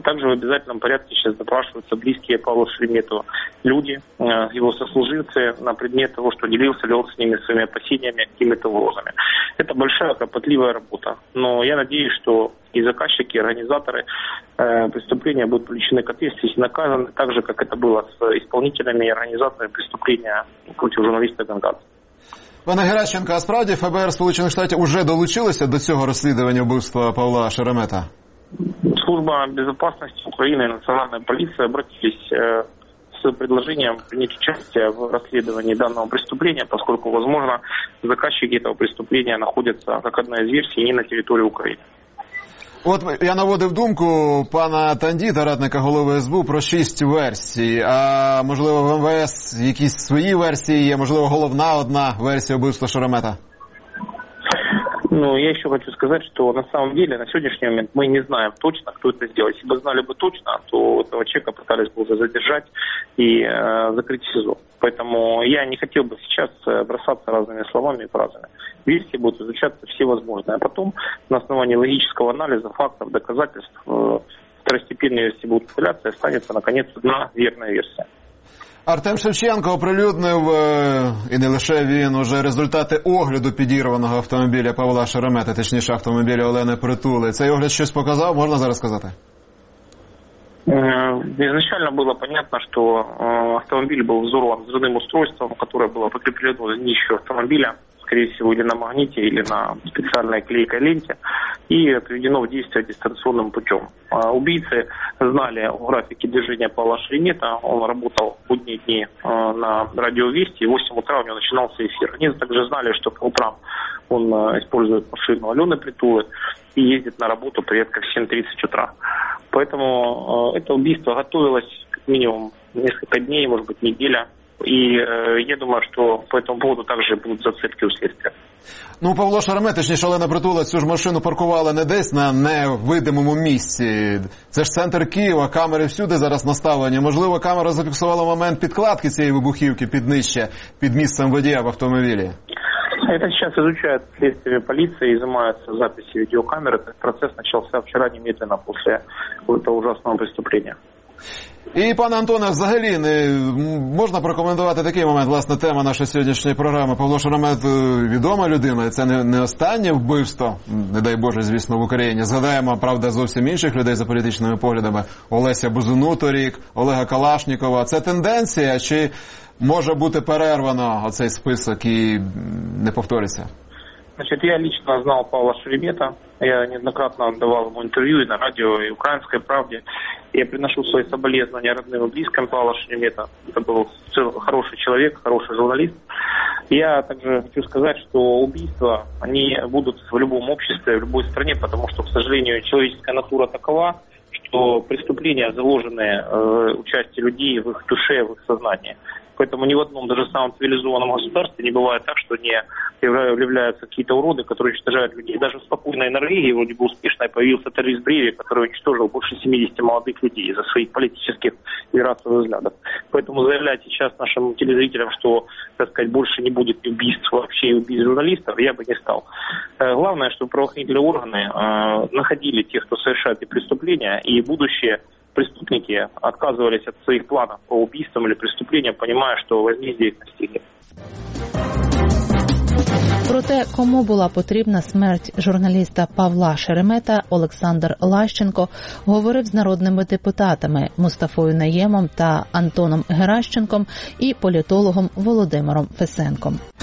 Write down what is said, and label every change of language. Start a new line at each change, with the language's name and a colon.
Russian: Также в обязательном порядке сейчас допрашиваются близкие Павла Шеремета люди, его сослуживцы, на предмет того, что делился ли он с ними своими опасениями, какими-то угрозами. Это большая, кропотливая работа. Но я надеюсь, что и заказчики, и организаторы преступления будут привлечены к ответственности и наказаны, так же, как это было с исполнителями и организаторами преступления против журналиста Гангадзе.
Ukrainian: Пане Геращенко, а справді ФБР Сполучених Штатів уже долучилося до цього розслідування вбивства Павла Шеремета? Служба безпеки України, Національна поліція
Russian: обратились з предложенням
Ukrainian: прийняти участь в розслідуванні даного
Russian: преступления, поскольку, возможно, заказчики этого преступления находятся, как одна из версий,
Ukrainian: не на території України. От я наводив думку пана Тандіта, радника голови СБУ, про 6 версій. А можливо, в МВС якісь свої версії є? Можливо, головна одна версія вбивства Шеремета? Ну, я ще хочу сказати, що
Russian: на самом деле,
Ukrainian: на сьогоднішній момент, ми не знаємо точно, хто це зробив. Якби знали б точно, то цього чека
Russian: пытались
Ukrainian: б вже задержати і закрити СІЗО.
Russian: Поэтому я не хотел бы сейчас бросаться разными словами и фразами. Версии будут изучаться все возможные. А потом, на основании логического анализа, фактов, доказательств, второстепенные версии будут выявляться, и останется, наконец, одна верная версия.
Ukrainian: Артем Шевченко оприлюднив, і не лише він, уже результати огляду підірваного автомобіля Павла Шеремета, точніше, автомобіля Олени Притули. Цей огляд щось показав, можна зараз сказати?
Russian: Изначально было понятно, что автомобиль был взорван взрывным устройством, которое было прикреплено к днищу автомобиля. скорее всего, или на магните, или на специальной клейкой ленте, и приведено в действие дистанционным путем. А убийцы знали о графике движения Павла Шеремета, он работал в будние дни на радио «Вести», в 8 утра у него начинался эфир. Они также знали, что по утрам он использует машину Алены Притулы и ездит на работу порядка в 7:30 утра. Поэтому это убийство готовилось как минимум несколько дней, может быть, неделя. И я думаю, что по этому поводу также будут зацепки у следствия.
Ukrainian: Ну, Павло Шеремет, точніше, Олена Притула, цю ж машину паркувала не десь на невидимому місці. Це ж центр Києва, камери всюди зараз наставлені. Можливо, камера зафіксувала момент підкладки цієї вибухівки під нижче, під місцем водія в автомобілі.
Russian: Это сейчас изучают следствие полиции, изымаются записи видеокамеры. Этот процесс начался вчера немедленно после этого ужасного преступления.
Ukrainian: І, пане Антоне, взагалі не можна прокоментувати такий момент, власне, тема нашої сьогоднішньої програми. Павло Шеремет – відома людина, і це не останнє вбивство, не дай Боже, звісно, в Україні. Згадаємо, правда, зовсім інших людей за політичними поглядами. Олеся Бузину торік, Олега Калашнікова. Це тенденція, чи може бути перервано оцей список і не повториться?
Russian: Значит, я лично знал Павла Шеремета, я неоднократно давал ему интервью и на радио, и в «Украинской правде». Я приношу свои соболезнования родным и близким Павла Шеремета. Это был хороший человек, хороший журналист. Я также хочу сказать, что убийства, они будут в любом обществе, в любой стране, потому что, к сожалению, человеческая натура такова, что преступления заложены в участии людей, в их душе, в их сознании. Поэтому ни в одном, даже самом цивилизованном государстве не бывает так, что не являются какие-то уроды, которые уничтожают людей. Даже в спокойной Норвегии, вроде бы успешной, появился террорист Бревик, который уничтожил больше 70 молодых людей из-за своих политических и расовых взглядов. Поэтому заявлять сейчас нашим телезрителям, что, так сказать, больше не будет убийств вообще и убийств журналистов, я бы не стал. Главное, чтобы правоохранительные органы находили тех, кто совершает эти преступления, и будущее преступники отказывались от своих планов по убийствам или преступлениям, понимая, что возмездие их настигнет.
Ukrainian: Проте, кому була потрібна смерть журналіста Павла Шеремета, Олександр Лащенко говорив з народними депутатами Мустафою Найємом та Антоном Геращенком і політологом Володимиром Фесенком.